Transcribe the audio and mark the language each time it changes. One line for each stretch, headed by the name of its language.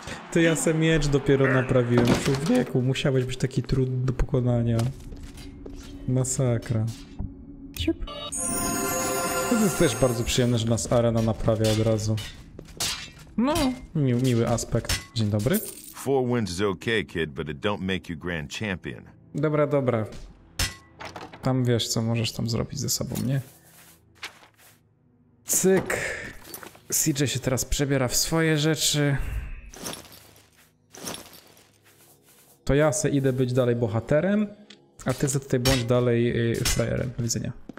Polish: Ty, ja se miecz dopiero naprawiłem, człowieku. Musiałeś być taki trudny do pokonania. Masakra. To jest też bardzo przyjemne, że nas arena naprawia od razu. No, miły aspekt. Dzień dobry.
English: Four wins is okay, kid, but it don't make you grand champion.
Polish: Dobra, dobra. Tam wiesz, co możesz tam zrobić ze sobą, nie? Cyk. CJ się teraz przebiera w swoje rzeczy. To ja se idę być dalej bohaterem, a ty se tutaj bądź dalej frajerem. Do widzenia.